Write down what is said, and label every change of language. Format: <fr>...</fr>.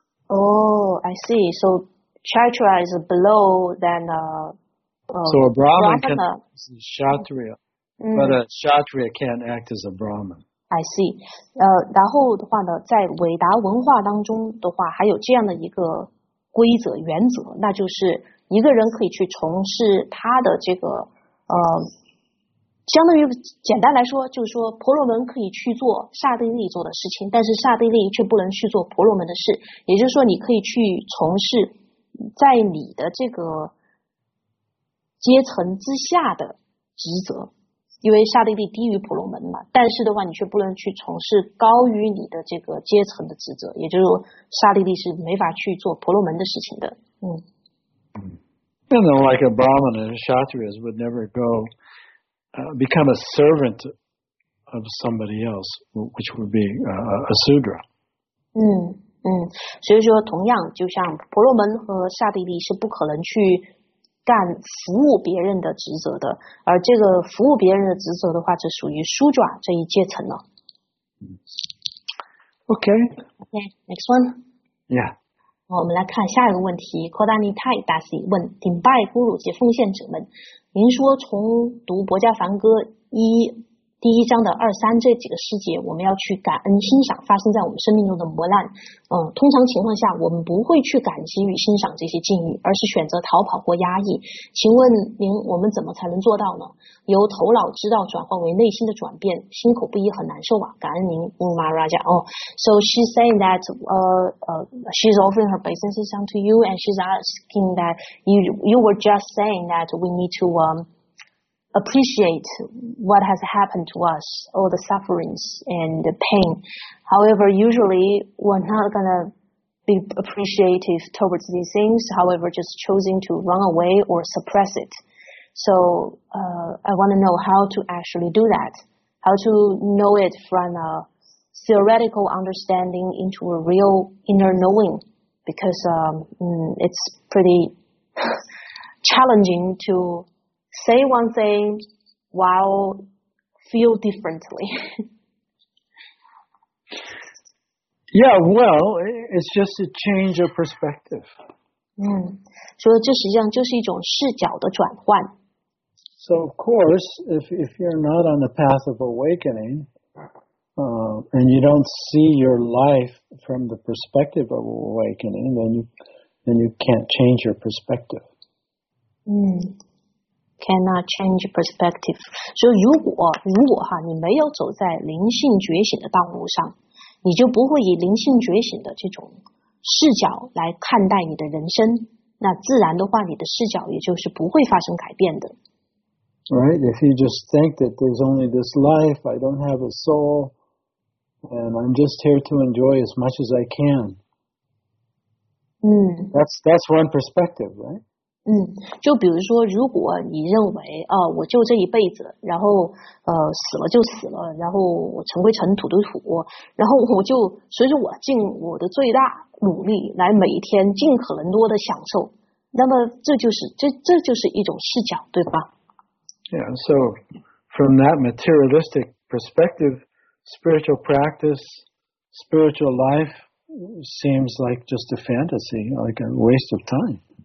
<en>Oh, I see. So Kshatriya is below than a Brahman can act as a Kshatriya, but a Kshatriya can't act as a Brahman. I see.</en> <zh>然后的话呢，在韦达文化当中的话，还有这样的一个规则原则，那就是一个人可以去从事他的这个相当于简单来说，就是说婆罗门可以去做刹帝利做的事情，但是刹帝利却不能去做婆罗门的事。也就是说，你可以去从事在你的这个阶层之下的职责，因为刹帝利低于婆罗门嘛。但是的话，你却不能去从事高于你的这个阶层的职责，也就是说刹帝利是没法去做婆罗门的事情的。</zh> <en>And then like a Brahman and Kshatriyas would never go become a servant of somebody else, which would be a Sudra.</en> <zh>所以说同样就像婆罗门和刹帝利是不可能去干服务别人的职责的，而这个服务别人的职责的话是属于Sudra这一阶层了。</zh> <en>Okay. Okay, next one. Yeah.</en> <zh>我们来看下一个问题 ，Kodani Tai Dasi 问：顶拜咕噜及奉献者们，您说从读《薄伽梵歌》第一章的二三这几个诗节，我们要去感恩欣赏发生在我们生命中的磨难。通常情况下，我们不会去感激与欣赏这些境遇，而是选择逃跑或压抑。请问您，我们怎么才能做到呢？由头脑知道转换为内心的转变，心口不一很难受啊！感恩您，Maharaja。</zh> <en>So she's saying that she's offering her obeisances to you, and she's asking that you were just saying that we need to appreciate what has happened to us, all the sufferings and the pain. However, usually we're not going to be appreciative towards these things, however, just choosing to run away or suppress it. So I want to know how to actually do that, how to know it from a theoretical understanding into a real inner knowing, because it's pretty challenging to... say one thing while feel differently. Yeah, well, it's just a change of perspective.</en> <zh>所以这实际上就是一种视角的转换。</zh> <en>So of course, if you're not on the path of awakening, and you don't see your life from the perspective of awakening, then you can't change your perspective. Cannot change perspective.</en> <zh>So, 如果哈，你没有走在灵性觉醒的道路上，你就不会以灵性觉醒的这种视角来看待你的人生。那自然的话，你的视角也就是不会发生改变的。</zh> <en>Right? If you just think that there's only this life, I don't have a soul, and I'm just here to enjoy as much as I can. That's one perspective, right?</en> <zh>就比如说如果你认为我就这一辈子，然后死了就死了，然后我尘归尘土归土，然后我就随着我尽我的最大努力来每一天尽可能多的享受，那么这就是一种视角，对吧？</zh> <en>Yeah, so from that materialistic perspective, spiritual practice, spiritual life seems like just a fantasy, like a waste of time.</en>